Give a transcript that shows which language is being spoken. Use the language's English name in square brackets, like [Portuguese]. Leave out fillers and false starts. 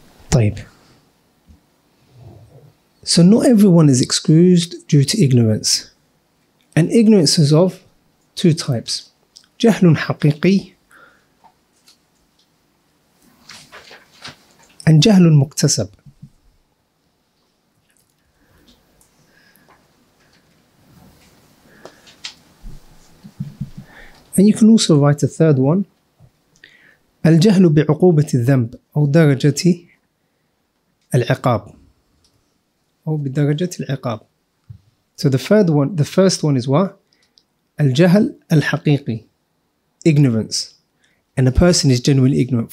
[Arabic] طيب. [English] So not everyone is excused due to ignorance. And ignorance is of two types. [Arabic] جهل حقيقي and جهل مكتسب. [English] And you can also write a third one, [Arabic] الجهل بعقوبة الذنب أو درجة العقاب أو بدرجة العقاب. [English] So the first one is what? [Arabic] الجهل الحقيقي, [English] ignorance, and a person is genuinely ignorant.